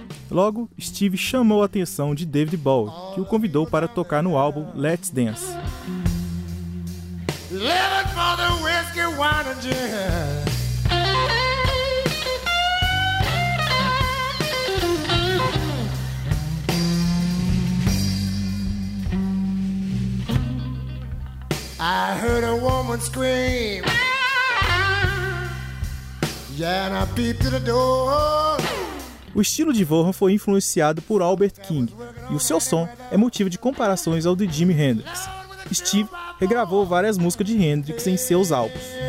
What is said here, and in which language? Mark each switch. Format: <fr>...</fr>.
<pt>Logo, Steve chamou a atenção de David Bowie, que o convidou para tocar no álbum Let's Dance.</pt> <en>Living for the whiskey, wine and gin. I heard a woman scream. Yeah, and I peeped to the door.</en> <pt>O estilo de Vaughan foi influenciado por Albert King, e o seu som é motivo de comparações ao de Jimi Hendrix. Steve regravou várias músicas de Hendrix em seus álbuns.</pt>